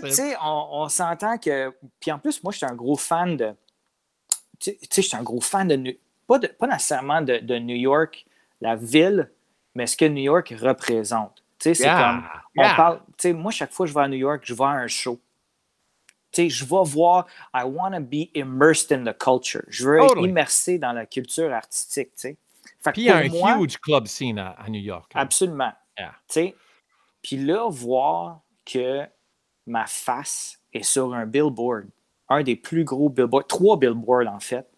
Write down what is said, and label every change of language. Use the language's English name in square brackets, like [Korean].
[French] Fait que tu sais, on s'entend que... Puis en plus, moi, je suis un gros fan de... Tu sais, je suis un gros fan de... pas nécessairement de New York, la ville, mais ce que New York représente. Tu sais, c'est comme... On parle... Tu sais, moi, chaque fois que je vais à New York, je vais à un show. Tu sais, je vais voir... [English] I want to be immersed in the culture. [French] Je veux être immersé dans la culture artistique, tu sais. Fait puis il y a un moi, [English] huge club scene [French] à New York. Hein. Absolument. [English] Yeah. [French] Tu sais, puis là, voir que ma face est sur un billboard, un des plus gros billboards, trois billboards, en fait.